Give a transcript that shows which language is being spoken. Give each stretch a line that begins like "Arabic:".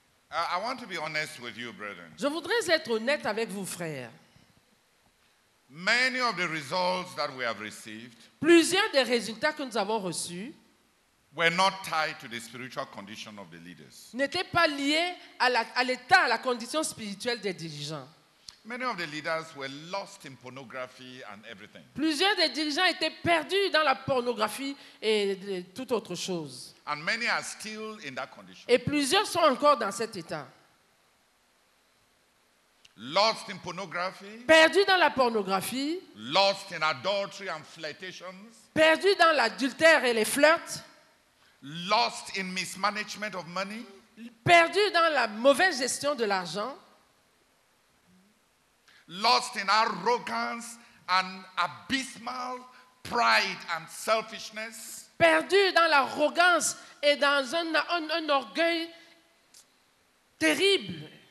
English: I want to be honest with you, brethren.
French: Je voudrais être honnête avec vous, frères.
English: Many of the results that we have received,
French: plusieurs des résultats que nous avons reçus,
English: were not tied to the spiritual condition of the leaders.
French: N'étaient pas liés à l'état, à la condition spirituelle des dirigeants.
English: Many of the leaders were lost in pornography and everything.
French: Plusieurs des dirigeants étaient perdus dans la pornographie et toute autre chose.
English: And many are still in that condition.
French: Et plusieurs sont encore dans cet état.
English: Lost in pornography.
French: Perdus dans la pornographie.
English: Lost in adultery and flirtations.
French: Perdus dans l'adultère et les flirts.
English: Lost in mismanagement of money.
French: Perdus dans la mauvaise gestion de l'argent.
English: Lost in arrogance and abysmal pride and selfishness.
French: Perdu dans l'arrogance et dans un orgueil terrible.